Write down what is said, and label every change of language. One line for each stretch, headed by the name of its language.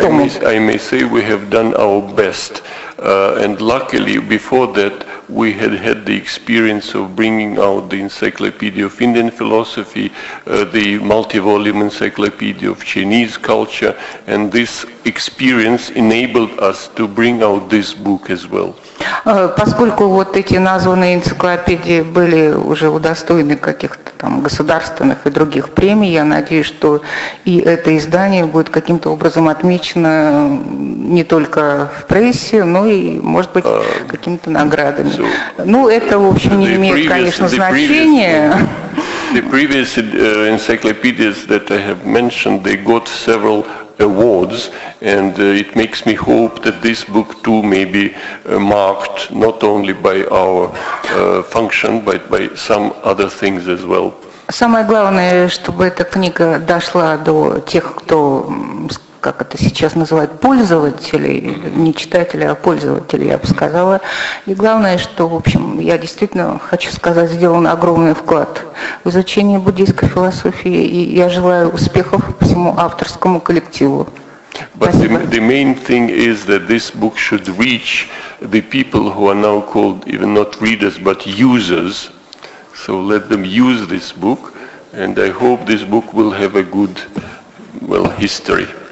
English: I may say we have done our best. And luckily, before that, we had the experience of bringing out the Encyclopedia of Indian Philosophy, the multi-volume Encyclopedia of Chinese Culture, and this experience enabled us to bring out this book as well.
Russian: Поскольку вот эти названные энциклопедии были уже удостоены каких-то там государственных и других премий, я надеюсь, что и это издание будет каким-то образом отмечено не только в прессе, но и, может быть, какими-то наградами. So, ну, это, в общем, не имеет, конечно, значения.
English: The previous encyclopedias that I have mentioned, they got several awards, and it makes me hope that this book too may be marked not only by our function, but by some other things as well.
Russian: Самое главное, чтобы эта книга дошла до тех, кто, как это сейчас называют, пользователей, не читателей, а пользователей, я бы сказала. И главное, что, в общем, я действительно хочу сказать, сделан огромный вклад в изучение буддийской философии, и я желаю успехов всему авторскому коллективу.
English: But the main thing is that this book should reach the people who are now called even not readers, but users. So let them use this book, and I hope this book will have a good, well, history.